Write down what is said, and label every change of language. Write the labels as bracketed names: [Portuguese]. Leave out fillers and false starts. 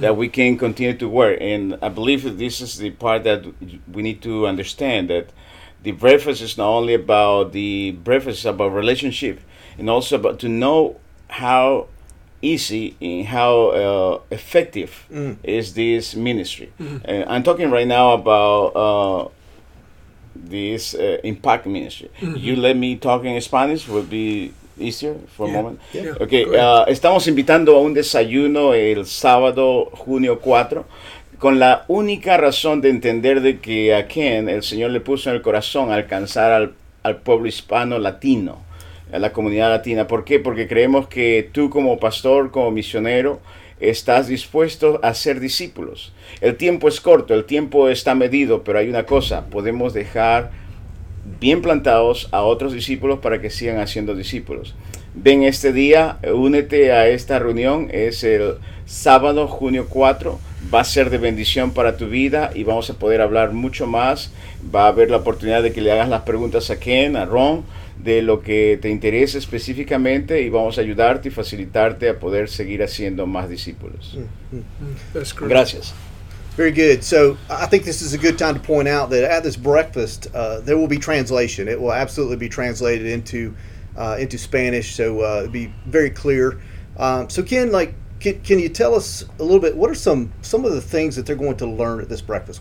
[English] that we can continue to work. And I believe that this is the part that we need to understand, that the breakfast is not only about the breakfast, it's about relationship, and also about to know how easy and how effective is this ministry. Mm-hmm. I'm talking right now about this impact ministry. Mm-hmm. You let me talk in Spanish would be easier for a moment. Yeah. [Spanish] Okay, estamos invitando a un desayuno el sábado, junio 4, con la única razón de entender de que a Ken el Señor le puso en el corazón alcanzar al pueblo hispano latino. A la comunidad latina. ¿Por qué? Porque creemos que tú como pastor, como misionero, estás dispuesto a ser discípulos. El tiempo es corto, el tiempo está medido, pero hay una cosa, podemos dejar bien plantados a otros discípulos para que sigan haciendo discípulos. Ven este día, únete a esta reunión, es el sábado, junio 4, va a ser de bendición para tu vida y vamos a poder hablar mucho más. Va a haber la oportunidad de que le hagas las preguntas a Ken, a Ron, de lo que te interesa específicamente y vamos a ayudarte y facilitarte a poder seguir haciendo más discípulos. [English] That's great. [Spanish] Gracias. [English] Very good. So I think this is a good time to point out that at this breakfast, there will be translation. It will absolutely be translated into Spanish, so it'll be very clear. So Ken, can you tell us a little bit, what are some of the things that they're going to learn at this breakfast?